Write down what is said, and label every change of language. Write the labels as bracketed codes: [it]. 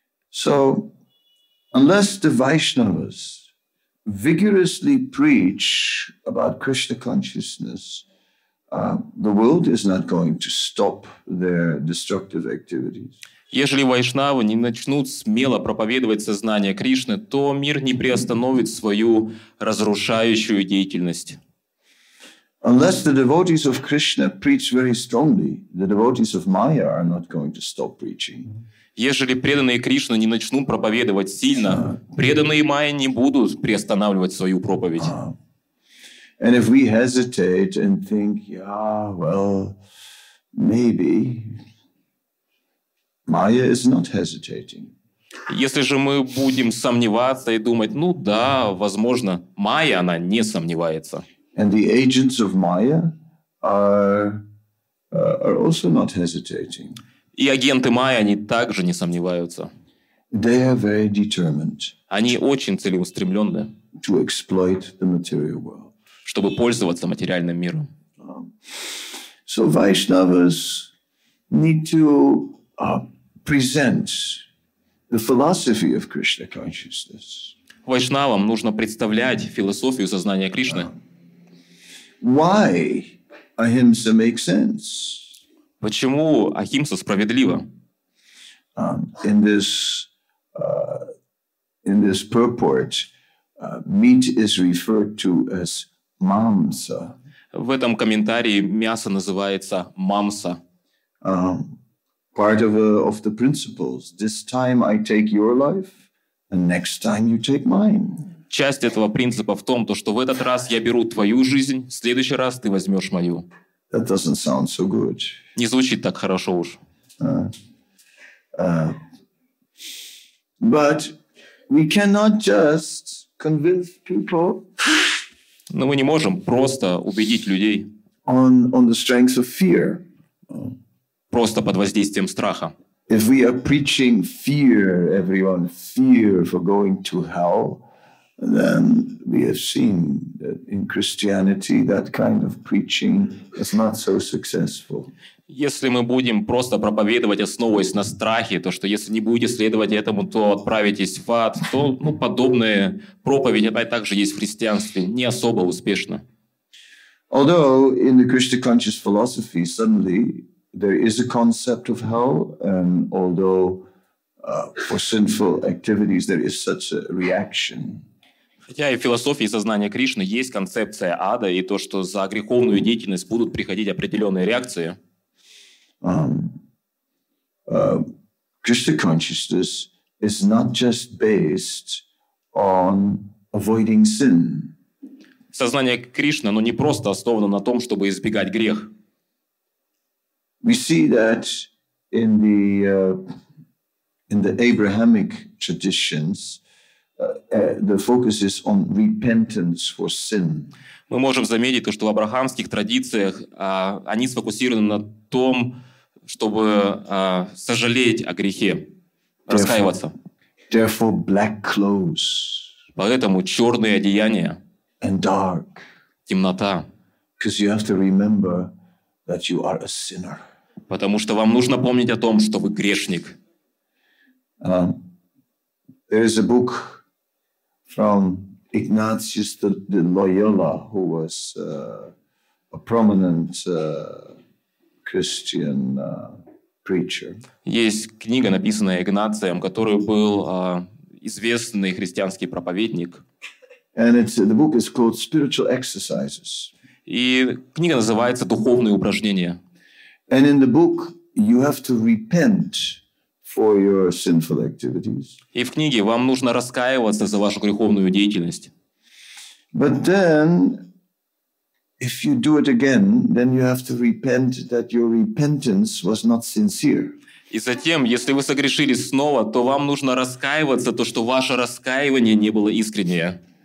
[en] So, unless the Vaishnavas vigorously preach about Krishna consciousness, the world is not going to stop their destructive activities. [ru] Если вайшнавы не начнут смело проповедовать сознание Кришны, то мир не приостановит свою разрушающую деятельность. [en] Unless the devotees of Krishna preach very strongly, the devotees of Maya are not going to stop preaching. [ru] Если преданные Кришне не начнут проповедовать сильно, преданные Майе не будут приостанавливать свою проповедь. [en] And if we hesitate and think, yeah, well, maybe, Maya is not hesitating. [ru] Если же мы будем сомневаться и думать, ну да, возможно, Майя, она не сомневается. [en] And the agents of Maya are also not hesitating. [ru] И агенты Майя, они также не сомневаются. [en] They are very determined. [ru] Они очень целеустремленные. [en] To exploit the material world. [ru] Чтобы пользоваться материальным миром. [en] So Vaishnavas need to present the philosophy of Krishna consciousness. [ru] Вайшнавам нужно представлять философию сознания Кришны. [en] Why ahimsa makes sense? [ru] Почему ахимса справедлива? [en] In this purport, meat is referred to as mamsa. [ru] В этом комментарии мясо называется мамса. [en] Part of the principles. This time I take your life, and next time you take mine. [ru] Часть этого принципа в том, то, что в этот раз я беру твою жизнь, в следующий раз ты возьмешь мою. [en] That doesn't sound so good. [ru] Не звучит так хорошо уж. [en] But we cannot just convince people. [ru] Но мы не можем просто убедить людей. [en] On the strength of fear. [ru] Просто под воздействием страха. [en] If we are preaching fear, everyone fear for going to hell. Then we have seen that in Christianity that kind of preaching is not so successful. [ru] Если мы будем просто проповедовать, основываясь на страхе, то что если не будете следовать этому, то отправитесь в ад, то ну подобные проповеди, она также есть в христианстве, не особо успешно. [en] Although in the Krishna conscious philosophy suddenly there is a concept of hell, and although for sinful activities there is such a reaction. [ru] Хотя и в философии сознания Кришны есть концепция ада и то, что за греховную деятельность будут приходить определенные реакции. [en] Krishna consciousness is not just based on avoiding sin. [ru] Сознание Кришны, оно не просто основано на том, чтобы избегать грех. [en] We see that in the Abrahamic traditions, the focus is on repentance for sin. [ru] Мы можем заметить, что в абрахамских традициях они сфокусированы на том, чтобы сожалеть о грехе, раскаиваться. [en] Therefore, black clothes. [ru] Поэтому черные одеяния. [en] And dark. [ru] Темнота. [en] Because you have to remember that you are a sinner. [ru] Потому что вам нужно помнить о том, что вы грешник. [en] There is a book from Ignatius de Loyola, who was a prominent Christian preacher. [ru] Есть книга, написанная Игнацием, который был известный христианский проповедник. [en] And the book is called Spiritual Exercises. [ru] И книга называется «Духовные упражнения». [en] And in the book you have to repent for your sinful activities. [ru] И в книге вам нужно раскаиваться за вашу греховную деятельность. [en] But then, if you do it again, then you have to repent that your repentance was not sincere. [ru] И затем, если вы согрешили снова, то вам нужно раскаиваться, то что ваше раскаяние не было искреннее.